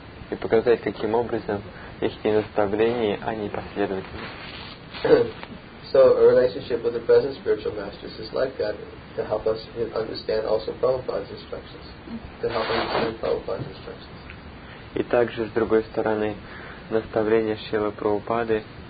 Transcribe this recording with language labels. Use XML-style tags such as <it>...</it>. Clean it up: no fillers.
<ru>И показать, каким образом их наставления, они последовательны.</ru> <en>So a relationship with the present spiritual masters is like that, to help us understand also Prabhupada's instructions.</en> <ru>И также, с другой стороны, наставление Шрилы Прабхупады.</ru>